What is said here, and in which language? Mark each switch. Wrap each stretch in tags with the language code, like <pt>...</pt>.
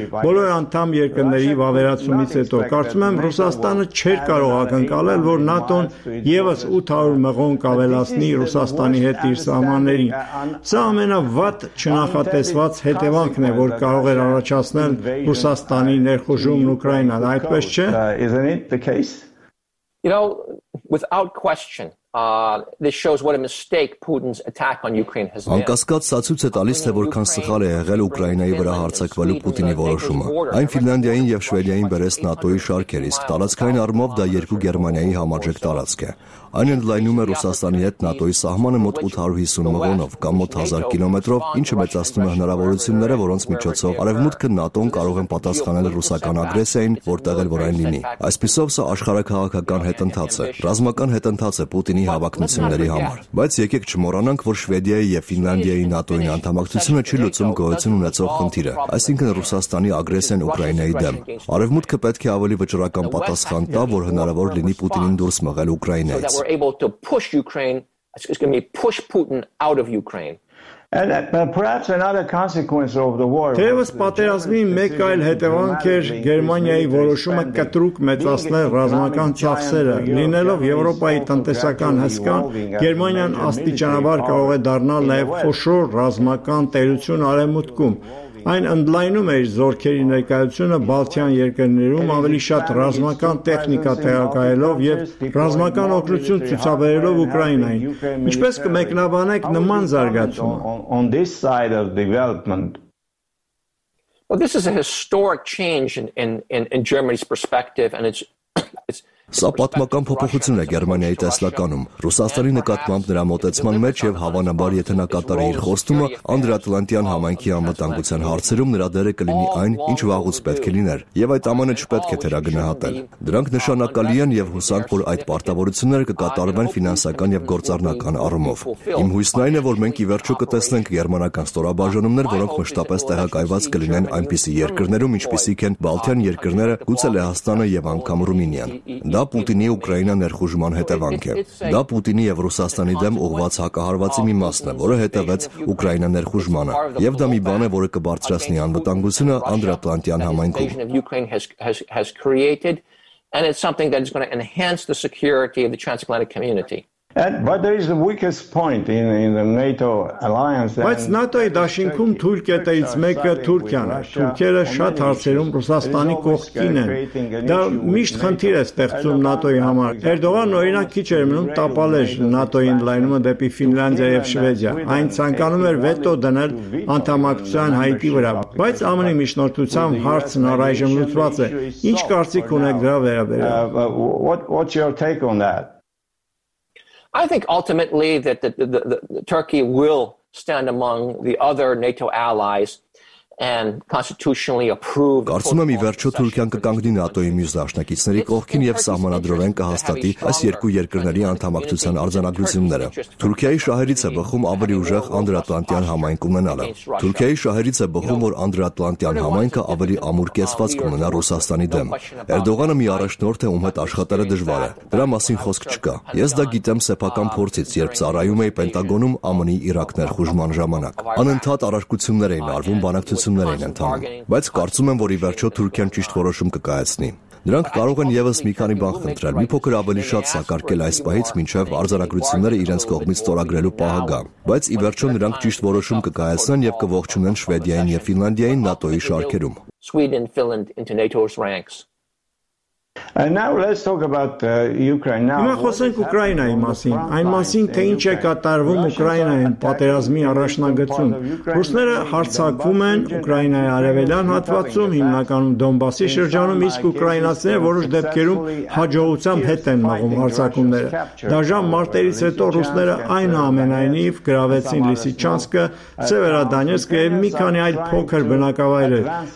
<hy>բոլոր անդամ երկրների վավերացումից հետո։ Կարծում եմ, Ռուսաստանը չէր կարող ակնկալել, որ ՆԱՏՕ-ն ևս 800 մղոն կավելացնի Ռուսաստանի հետ իր սահմաններին։ Սա ամենավատ չնախատեսված հետևանքն է, որ կարող էր առաջացնել Ռուսաստանի ներխուժումն Ուկրաինան, այդպես չէ։</hy> <en>You know, without question, this shows what a mistake Putin's attack on Ukraine has been.</en> <hy>Անկասկած սա ցույց է տալիս, թե որքան սխալ է եղել Ուկրաինայի վրա հարձակվելու Պուտինի որոշումը։ Այն Ֆինլանդիային և Շվեդիային բերեց ՆԱՏՕ-ի շարքեր, իսկ տարածքային առումով դա երկու Գերմանիայի համաժեք տարածք է։ Այն ընդլայնում է Ռուսաստանի հետ ՆԱՏՕ-ի սահմանը մոտ 850 մղոնով կամ մոտ 1000 կիլոմետրով, ինչը մեծացնում է հնարավորությունները, որոնց միջոցով արևմուտքը ՆԱՏՕ-ն կարող են պատասխանել ռուսական ագրեսիային, որտեղ էլ որ այն լինի։ Այսպիսով սա աշխարհաքաղաքական հետընթաց է, ռազմական հետընթաց է Պուտինի հավակնությունների համար։ Բայց եկեք չմոռանանք, որ Շվեդիայի և Ֆինլանդիայի ՆԱՏՕ-ին անդամակցությունը չի լուծում գոյություն ունեցող խնդիրը, այսինքն Ռուսաստանի ագրեսիան Ուկրաինայի դեմ։ Արևմուտքը պետք է ավելի վճռական պատասխան տա, որ հնարավոր լինի Պուտինին դուրս մղել Ուկրաինայից։</hy> <en>That we're able to push Ukraine, it's going to be push Putin out of Ukraine. And perhaps another consequence of the war.</en> <hy>Թեև պատերազմի մեկ այլ հետևանք էր Գերմանիայի որոշումը կտրուկ մեծացնել ռազմական ծախսերը, լինելով Եվրոպայի տնտեսական հսկան, Գերմանիան աստիճանաբար կարող է դառնալ նաև խոշոր ռազմական տերություն արևմուտքում։ Այն ընդլայնում է իր զորքերի ներկայությունը Բալթյան երկրներում, ավելի շատ ռազմական տեխնիկա տեղակայելով և ռազմական օգնություն ցուցաբերելով Ուկրաինային։ Ինչպես կմեկնաբանեք նման զարգացումը։</hy> <en>Well, this is a historic change in Germany's perspective, and it's</en> <hy>Սա պատմական փոփոխություն է Գերմանիայի տեսլականում, Ռուսաստանի նկատմամբ նրա մոտեցման մեջ և հավանաբար, եթե նա կատարի իր խոստումը, անդրատլանտյան համայնքի անվտանգության հարցերում նրա դերը կլինի այն, ինչ վաղուց պետք է լիներ, և այդ ամենը չպետք է թերագնահատել։ Դրանք նշանակալի են և հուսանք, որ այդ պարտավորությունները կկատարվեն ֆինանսական և գործառնական առումով։ Իմ հույսն այն է, որ մենք ի վերջո կտեսնենք գերմանական ստորաբաժանումներ, որոնք մշտապես տեղակայված կլինեն այնպիսի երկրներում, ինչպիսիք են Բալթյան երկրները, գուցե Լեհաստանը և անգամ Ռումինիան։ Դա Պուտինի Ուկրաինա ներխուժման հետևանք է։ Դա Պուտինի և Ռուսաստանի դեմ ուղված հակահարվածի մի մասն է, որը հետևեց Ուկրաինա ներխուժմանը, և դա մի բան է, որը կբարձրացնի անվտանգությունը անդրատլանտյան համայնքում։</hy> <en>But there is the weakest point in the NATO alliance.</en> <hy>Բայց ՆԱՏՕ-ի դաշինքում թուրք է տեից մեկը Թուրքիան է։ Թուրքերը շատ հարցերում Ռուսաստանի կողքին են։ Դա միշտ խնդիր է ստեղծում ՆԱՏՕ-ի համար։ Էրդողան օրինակ քիչ էր մնում տապալել ՆԱՏՕ-ի լայնումը դեպի Ֆինլանդիա եւ Շվեդիա։ Այն ցանկանում էր վետո դնել անդամակցության Հայտի վրա, բայց ԱՄՆ-ի միջնորդության հարցն առայժմ լուծված է։ Ինչ կարծիք ունեք դրա վերաբերյալ?</hy> <en>What's your take on that? I think ultimately that the Turkey will stand among the other NATO allies and constitutionally approve.</en> <hy>Կարծում եմ, ի վերջո Թուրքիան կկանգնի ՆԱՏՕ-ի մյուս դաշնակիցների կողքին եւ սահմանադրորեն կհաստատի այս երկու երկրների անդամակցության արձանագրությունները։ Թուրքիայի շահերից է բխում ավելի ուժեղ անդրատլանտյան համայնք ունենալը։ Թուրքիայի շահերից է բխում, որ անդրատլանտյան համայնքը ավելի ամուր կեցված կմնա Ռուսաստանի դեմ։ Էրդողանը մի առաջնորդ է, ում հետ աշխատելը դժվար է։ Դրա մասին խոսք չկա։ Ես դա գիտեմ սեփական փորձից, երբ ծառայում էի Պենտագոնում ԱՄՆ-ի Իրաք ներխուժման ժամանակ։ Անընդհատ առարկություններ էին արվում բանակ ցուցումներին ընդհանուր, բայց կարծում եմ, որ ի վերջո Թուրքիան ճիշտ որոշում կկայացնի։ Նրանք կարող են եւս մի քանի բան խնդրել, մի փոքր ավելի շատ սակարկել այս պահից մինչև արձանագրությունները իրենց կողմից ստորագրելու պահը գա, բայց ի վերջո նրանք ճիշտ որոշում կկայացնեն եւ կողջունեն Շվեդիային եւ Ֆինլանդիային ՆԱՏՕ-ի շարքերում։</hy> <en>And now let's talk about Ukraine now.</en> <hy>Հիմա խոսենք Ուկրաինայի մասին, այն մասին, թե ինչ է կատարվում Ուկրաինայում պատերազմի առաջնագծում։ Ռուսները հարձակվում են Ուկրաինայի արևելյան հատվածում, հիմնականում Դոնբասի շրջանում, իսկ ուկրաինացիները որոշ դեպքերում հաջողությամբ հետ են մղում հարձակումները։ Դաժան մարտերից հետո ռուսները այնուամենայնիվ գրավեցին Լիսիչանսկը, Սևերադոնեցկը եւ մի քանի այլ փոքր բնակավայրեր։</hy>